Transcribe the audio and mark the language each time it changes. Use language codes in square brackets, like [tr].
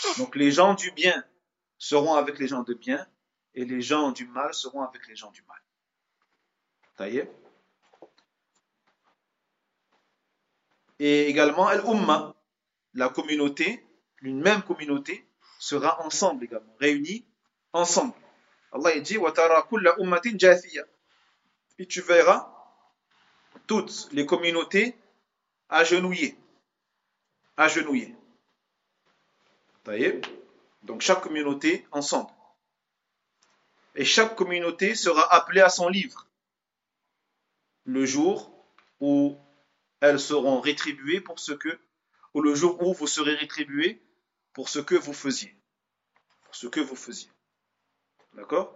[fr] Donc les gens du bien seront avec les gens de bien, et les gens du mal seront avec les gens du mal. Taïe. Et également, al-umma, la communauté, une même communauté, sera ensemble également, réunie ensemble. Allah dit, [ar] وَتَرَى كُلَّ أُمَّةٍ جَاثِيَةٍ. [fr] Puis tu verras toutes les communautés agenouillées. D'ailleurs, donc chaque communauté ensemble. Et chaque communauté sera appelée à son livre le jour où elles seront rétribuées pour ce que, ou le jour où vous serez rétribués pour ce que vous faisiez. Pour ce que vous faisiez. D'accord?